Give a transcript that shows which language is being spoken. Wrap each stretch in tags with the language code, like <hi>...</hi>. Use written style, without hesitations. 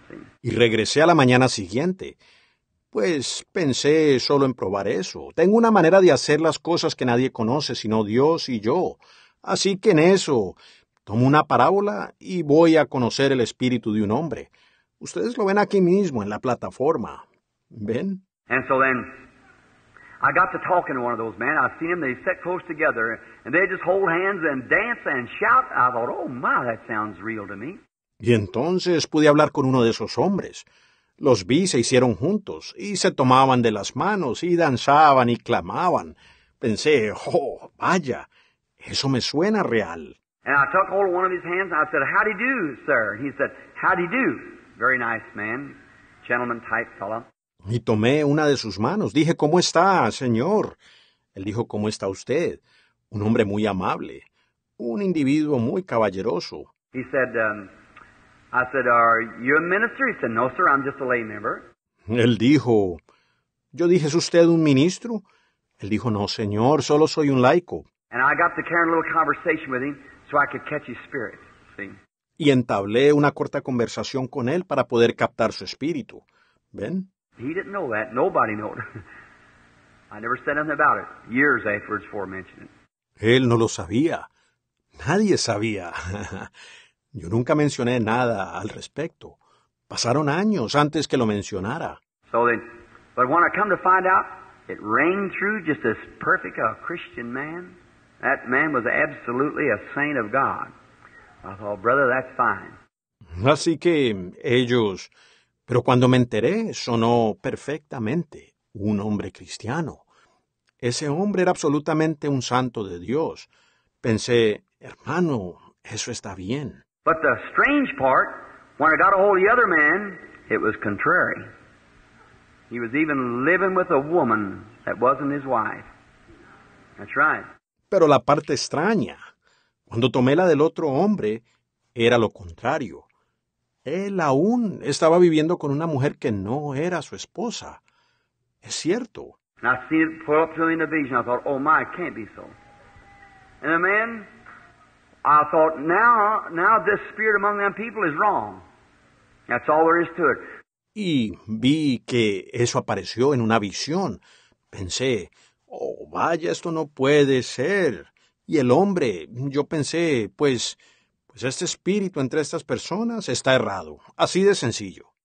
<en>See?</en> <es>Y regresé a la mañana siguiente. Pues pensé solo en probar eso. Tengo una manera de hacer las cosas que nadie conoce, sino Dios y yo. Así que en eso, tomo una parábola y voy a conocer el espíritu de un hombre. Ustedes lo ven aquí mismo, en la plataforma. ¿Ven?</es> <en>And so then, I got to talking to one of those men. I've seen them, they sit close together, and they just hold hands and dance and shout. I thought, oh my, that sounds real to me.</en> <es>Y entonces pude hablar con uno de esos hombres. Los vi, se hicieron juntos, y se tomaban de las manos, y danzaban, y clamaban. Pensé, oh, vaya, eso me suena real.</es> <en>And I took hold of one of his hands, and I said, how do you do, sir? He said, how do you do? Very nice man, gentleman type fellow.</en> <es>Y tomé una de sus manos, dije, ¿cómo está, señor? Él dijo, ¿cómo está usted? Un hombre muy amable, un individuo muy caballeroso.</es> <en>He said, I said, are you a minister? He said, no, sir, I'm just a lay member.</en> <es>Él dijo, yo dije, ¿es usted un ministro? Él dijo, no, señor, solo soy un laico.</es> <en>And I got to carry a little conversation with him so I could catch his spirit, see?</en> <es>Y entablé una corta conversación con él para poder captar su espíritu. ¿Ven?</es> <en>He didn't know that. Nobody knew it. I never said anything about it. Years afterwards before mentioning it.</en> <es>Él no lo sabía. Nadie sabía. Yo nunca mencioné nada al respecto. Pasaron años antes que lo mencionara.</es> <en>So then, but when I come to find out, it rang true just as perfect a Christian man. That man was absolutely a saint of God. I thought, brother, that's fine.</en> <es>Así que ellos, pero cuando me enteré, sonó perfectamente un hombre cristiano. Ese hombre era absolutamente un santo de Dios. Pensé, hermano, eso está bien.</es> <en>But the strange part, when I got a hold of the other man, it was contrary. He was even living with a woman that wasn't his wife. That's right.</en> <es>Pero la parte extraña, cuando tomé la del otro hombre, era lo contrario. Él aún estaba viviendo con una mujer que no era su esposa. Es cierto.</es> <en>And I seen it put up to me in the vision. I thought, oh my, it can't be so. And the man, I thought, now this spirit among them people is wrong. That's all there is to it.</en> <es>Y vi que eso apareció en una visión. Pensé, oh, vaya, esto no puede ser. Y el hombre, yo pensé, pues este espíritu entre estas personas está errado. Así de sencillo.</es>